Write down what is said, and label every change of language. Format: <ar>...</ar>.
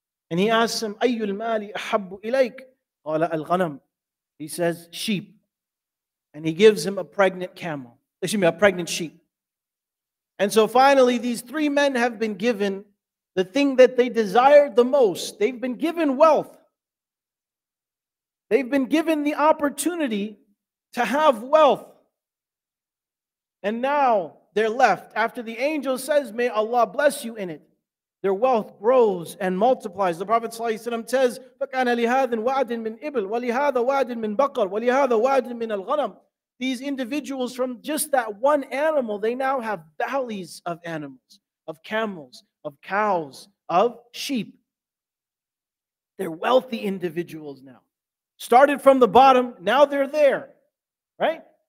<en>And he asks him,</en> <ar>أَيُّ الْمَالِ أَحَبُّ إِلَيْكَ؟ قَالَ الْغَنَمُ.</ar> <en>He says, sheep. And he gives him a pregnant sheep. And so finally, these three men have been given the thing that they desired the most. They've been given wealth. They've been given the opportunity to have wealth. And now, they're left. After the angel says, may Allah bless you in it, their wealth grows and multiplies. The Prophet ﷺ says,</en> <ar>فَكَانَ لِهَذٍ وَعَدٍ مِّنْ إِبْلٍ وَلِهَذَا وَعَدٍ مِّنْ بَقَرٍ وَلِهَذَا وَعَدٍ مِّنَ الْغَنَمِ.</ar> <en>These individuals from just that one animal, they now have valleys of animals, of camels, of cows, of sheep. They're wealthy individuals now. Started from the bottom, now they're there, right?</en>